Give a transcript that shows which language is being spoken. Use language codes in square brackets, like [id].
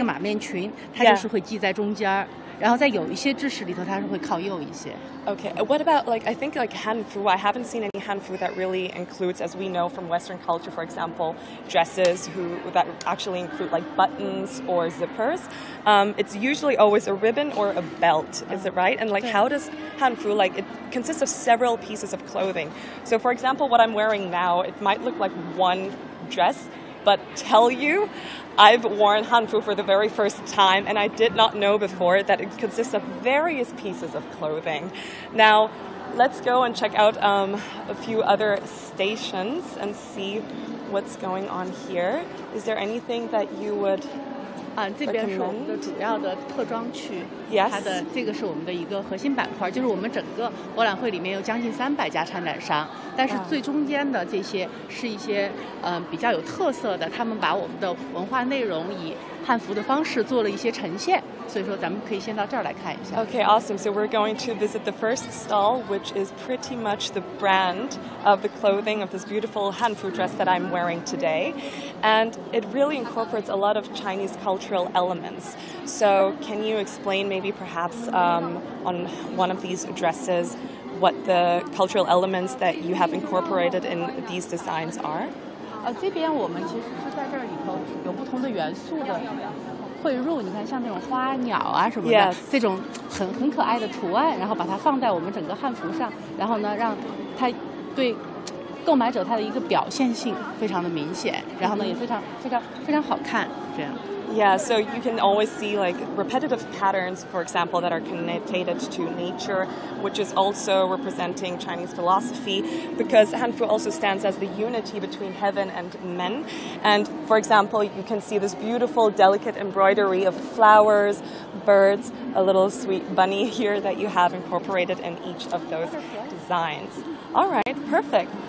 [zh] 这一块它是在不同的style里头，它其实是有不同的一个打的方式。你看，像我这个马面裙，它就是会系在中间。然后在有一些制式里头，它是会靠右一些。 [en] Okay, what about like I think like Hanfu? I haven't seen any Hanfu that really includes, as we know from Western culture, for example, dresses that actually include like buttons or zippers. It's usually always a ribbon or a belt, is it right? And like how does Hanfu like it consists of several pieces of clothing? So for example, what I'm wearing now, it might look like one dress. But tell you, I've worn Hanfu for the very first time, and I did not know before that it consists of various pieces of clothing. Now, let's go and check out a few other stations and see what's going on here. Is there anything that you would recommend? [zh] 这边是我们的主要的特装区，它的这个是我们的一个核心板块，就是我们整个博览会里面有将近300家参展商，但是最中间的这些是一些比较有特色的，他们把我们的文化内容以汉服的方式做了一些呈现，所以说咱们可以先到这儿来看一下。 [en] Okay, awesome. So we're going to visit the first stall, which is pretty much the brand of the clothing of this beautiful Hanfu dress that I'm wearing today. And it really incorporates a lot of Chinese cultural elements. So can you explain maybe perhaps on one of these dresses what the cultural elements that you have incorporated in these designs are? [zh] 这边我们其实是在这里头有不同的元素的汇入，你看像那种花鸟啊什么的、 [en] yes. [zh] 这种很可爱的图案，然后把它放在我们整个汉服上，然后呢让它对购买者它的一个表现性非常的明显，然后呢也非常非常非常好看这样。 [en] Yeah, so you can always see like repetitive patterns, for example, that are connected to nature, which is also representing Chinese philosophy, because Hanfu also stands as the unity between heaven and men. And for example, you can see this beautiful, delicate embroidery of flowers, birds, a little sweet bunny here that you have incorporated in each of those designs. All right, perfect.